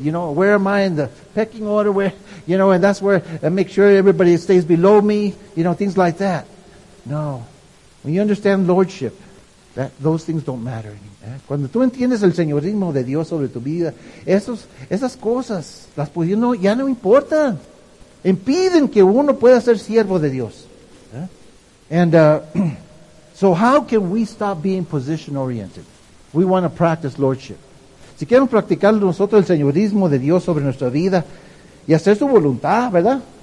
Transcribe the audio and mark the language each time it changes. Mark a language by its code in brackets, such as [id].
[en] You know, where am I in the pecking order? Where, you know, and that's where I make sure everybody stays below me. You know, things like that. No. When you understand lordship, that those things don't matter anymore. [es] Cuando tú entiendes el señorismo de Dios sobre tu vida, esas cosas, las posiciones ya no importan. Impiden que uno pueda ser siervo de Dios. [en] So how can we stop being position oriented? We want to practice lordship. [es] Si queremos practicar nosotros el señorismo de Dios sobre nuestra vida y hacer su voluntad, ¿verdad?